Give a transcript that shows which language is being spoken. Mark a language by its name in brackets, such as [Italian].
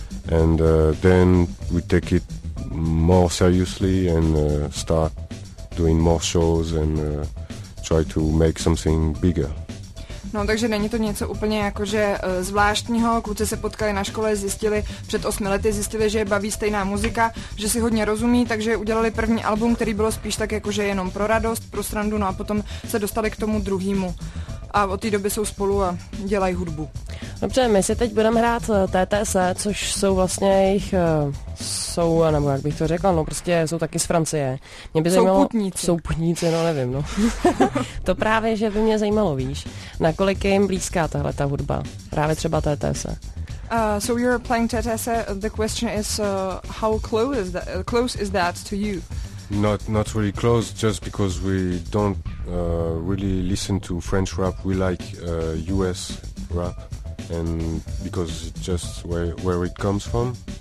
[English] And then we take it more seriously and start doing more shows and try to make something bigger. [Czech] No, takže není to něco úplně jakože zvláštního. Kluci se potkali na škole, zjistili před 8 lety, zjistili, že je baví stejná muzika, že si hodně rozumí, takže udělali první album, který bylo spíš tak jakože jenom pro radost, pro srandu, no a potom se dostali k tomu druhému. A od té doby jsou spolu a dělají hudbu. Dobře, my si teď budeme hrát TTS, což jsou vlastně jejich, jsou, nebo jak bych to řekla, no prostě jsou taky z Francie. Mě by zajímalo, souputníci. Souputníci, no nevím, no. To právě, že by mě zajímalo, víš, nakolik je jim blízká tahle ta hudba, právě třeba TTS. [English] So you're playing TTS, the question is, how close is that to you? Not really close, just because we don't really listen to French rap. We like US rap, and because it's just where it comes from.